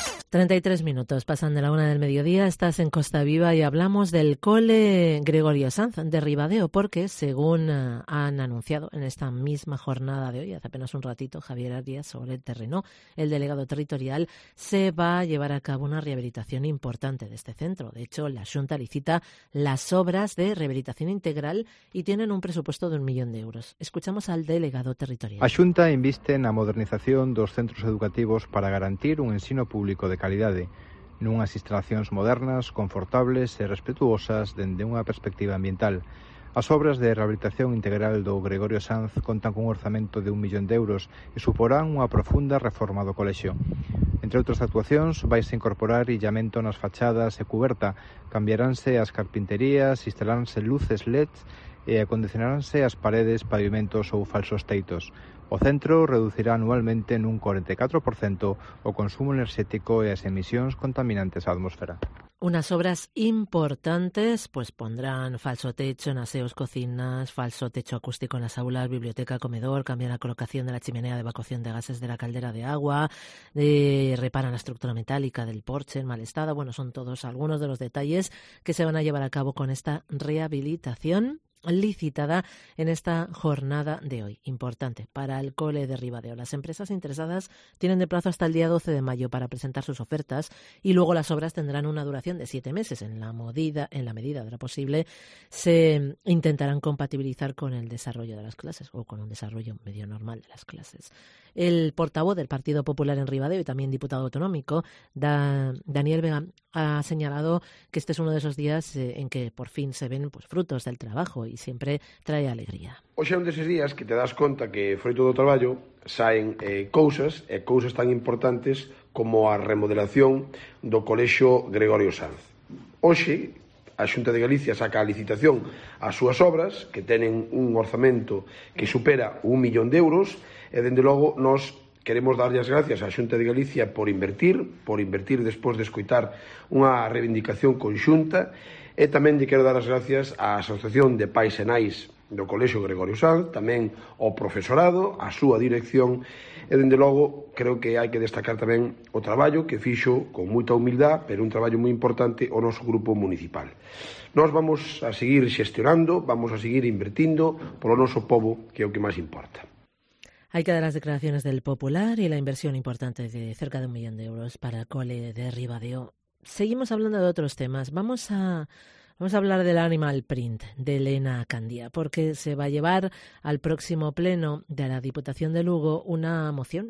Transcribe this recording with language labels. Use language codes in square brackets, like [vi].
[es] 33 minutos, pasan de la 1 del mediodía, estás en Costa Viva y hablamos del cole Gregorio Sanz de Ribadeo, porque según han anunciado en esta misma jornada de hoy, hace apenas un ratito, Javier Arias sobre el terreno, el delegado territorial, se va a llevar a cabo una rehabilitación importante de este centro. De hecho, la Xunta licita las obras de rehabilitación integral y tienen un presupuesto de 1 millón de euros. Escuchamos al delegado territorial. La Xunta inviste en la modernización de los centros educativos [gl] para garantir un ensino público de calidade, nunhas instalacións modernas, confortables e respetuosas dende unha perspectiva ambiental. As obras de rehabilitación integral do Gregorio Sanz contan con un orzamento de 1 millón de euros e suporán unha profunda reforma do colexio. Entre outras actuacións, vais a incorporar illamento nas fachadas e cuberta, cambiaránse as carpinterías, instalaránse luces LED e acondicionaránse as paredes, pavimentos ou falsos teitos. O centro reducirá anualmente nun 44% o consumo enerxético e as emisións contaminantes á atmósfera. [es] Unas obras importantes, pues pondrán falso techo en aseos, cocinas, falso techo acústico en las aulas, biblioteca, comedor, cambian la colocación de la chimenea de evacuación de gases de la caldera de agua, reparan la estructura metálica del porche en mal estado. Bueno, son todos algunos de los detalles que se van a llevar a cabo con esta rehabilitación licitada en esta jornada de hoy. Importante para el cole de Ribadeo. Las empresas interesadas tienen de plazo hasta el día 12 de mayo para presentar sus ofertas y luego las obras tendrán una duración de 7 meses. En la medida de lo posible, se intentarán compatibilizar con el desarrollo de las clases o con un desarrollo medio normal de las clases. El portavoz del Partido Popular en Ribadeo y también diputado autonómico, Daniel Vega, ha señalado que este es uno de esos días en que por fin se ven pues frutos del trabajo y siempre trae alegría. [gl] Hoxe é un deses días que te das conta que froito do traballo saen cousas, e cousas tan importantes como a remodelación do Colexio Gregorio Sanz. Hoxe, a Xunta de Galicia saca a licitación as súas obras, que tenen un orzamento que supera 1 millón de euros, e, dende logo, nos queremos darlle as gracias á Xunta de Galicia por invertir despois de escoitar unha reivindicación conxunta, e tamén lle quero dar as gracias á Asociación de Pais e Nais do Colexio Gregorio Sanz, tamén ao profesorado, á súa dirección, e, dende logo, creo que hai que destacar tamén o traballo que fixo con moita humildade, pero un traballo moi importante, o noso grupo municipal. Nós vamos a seguir xestionando, vamos a seguir invertindo polo noso povo, que é o que máis importa. [es] Hay que dar las declaraciones del Popular y la inversión importante de cerca de 1 millón de euros para el cole de Ribadeo. Seguimos hablando de otros temas. Vamos a hablar del animal print de Elena Candía, porque se va a llevar al próximo pleno de la Diputación de Lugo una moción.